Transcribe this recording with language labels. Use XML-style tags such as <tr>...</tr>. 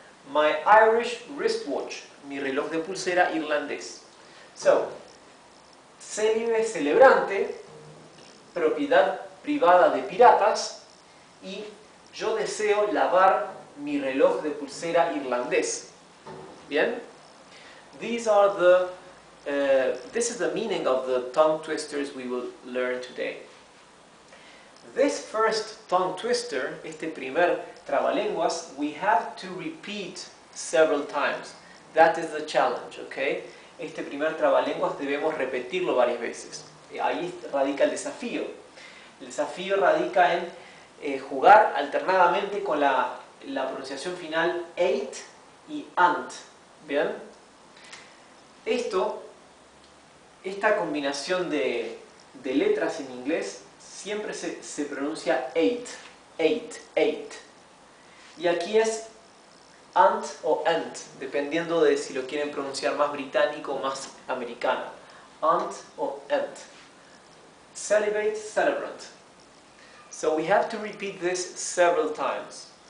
<en>My Irish wristwatch,</en> <es>mi reloj de pulsera irlandés. So, célibe, celebrante, propiedad privada de piratas, y yo deseo lavar mi reloj de pulsera irlandés. Bien?</es> <en>These are the, this is the meaning of the tongue twisters we will learn today. This first tongue twister,</en> <es>este primer trabalenguas,</es> <en>we have to repeat several times. That is the challenge, okay?</en> <es>Este primer trabalenguas debemos repetirlo varias veces. Ahí radica el desafío. El desafío radica en jugar alternadamente con la pronunciación final eight y ant. ¿Bien? Esta combinación de letras en inglés siempre se pronuncia eight, eight, eight. Y aquí es ant o ant, dependiendo de si lo quieren pronunciar más británico o más americano. Ant o ant.</es> <en>Celibate, celebrant. So we have to repeat this several times.</en>